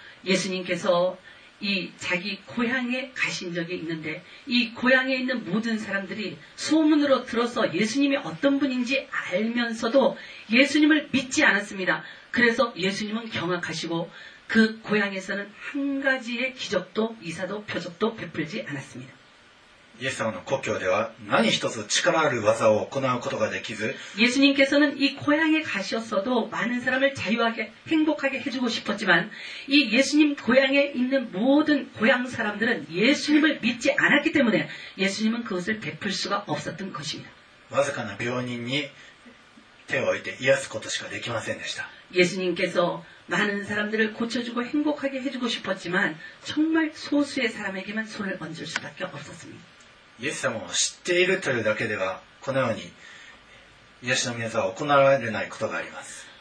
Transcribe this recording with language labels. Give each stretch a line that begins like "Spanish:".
Korean: 예수님께서이자기고향에가신적이있는데이고향에있는모든사람들이소문으로들어서예수님이어떤분인지알면서도예수님을믿지않았습니다。 그래서예수님은경악하시고그고향에서는한가지의기적도이사도표적도베풀지않았습니다。 예수님은고교에서
Japanese: 何一つ力ある技を行うことができず、
Korean: 예수님께서는이고향에가셨어도많은사람을자유하게행복하게해주고싶었지만이예수님고향에있는모든고향사람들은예수님을믿지않았기때문에예수님은그것을베풀수가없었던것입니다。
Japanese: わずかな病人に手を置いて癒すことしかできませんでした。
Korean: 예수님께서많은사람들을고쳐주고행복하게해주고싶었지만정말소수의사람에게만손을얹을수밖에없었습니다。
Japanese: イエス様を知っているというだけではこのように癒しの御業は行われないことがあります。